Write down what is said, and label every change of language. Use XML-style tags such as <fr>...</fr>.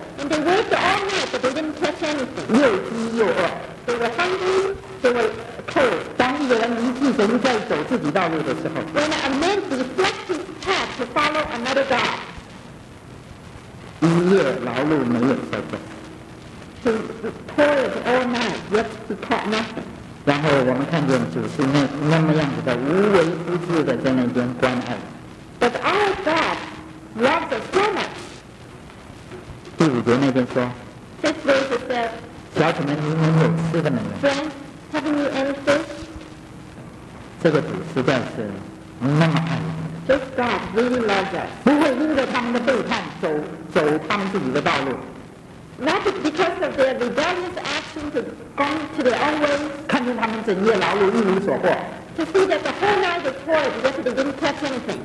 <en>And they waited all night, but they didn't catch anything.</en> <zh>又饥又饿。</zh> <en>They were hungry. They were cold.</en> <zh>当一个人离弃神在走自己道路的时候</zh> <en>，When a man reflects his path to follow another God.</en> <zh>一夜劳碌没有收获。</zh> <en>He toiled all night, yet he caught nothing.</en> <zh>然后我们看见主是那么样子的无微不至的在那边关爱。</zh> <en>But our God loves us so much.</en> <zh>第五节那边说。</zh> <en>This verse says.</en> <zh>小子们，你们有吃的没有</zh> <en>？Friends, haven't you any food?</en> <zh>这个主实在是那么爱。</zh> <en>This God really loves us.</en> <zh>不会因着他们的背叛走他们自己的道路。</zh> <en>Not because of their rebellious action to go to their own way.</en> <zh>看见他们整夜劳碌一无所获。</zh> <en>To see that the whole night was poor because they didn't catch anything.</en>